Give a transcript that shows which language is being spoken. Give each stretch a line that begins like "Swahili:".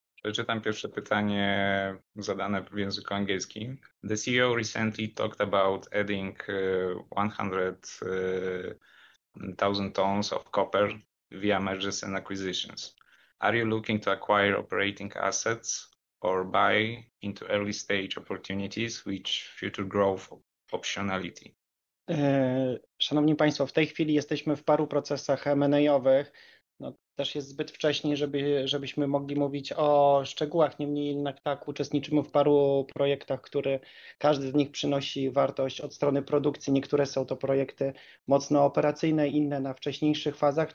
Polish: Przeczytam pierwsze pytanie zadane w języku angielskim.
English: The CEO recently talked about adding 100,000 tons of copper via mergers and acquisitions. Are you looking to acquire operating assets or buy into early stage opportunities with future growth optionality?
Polish: Szanowni Państwo, w tej chwili jesteśmy w paru procesach M&A-owych. No, też jest zbyt wcześnie, żebyśmy mogli mówić o szczegółach. Niemniej jednak tak, uczestniczymy w paru projektach, które każdy z nich przynosi wartość od strony produkcji. Niektóre są to projekty mocno operacyjne, inne na wcześniejszych fazach.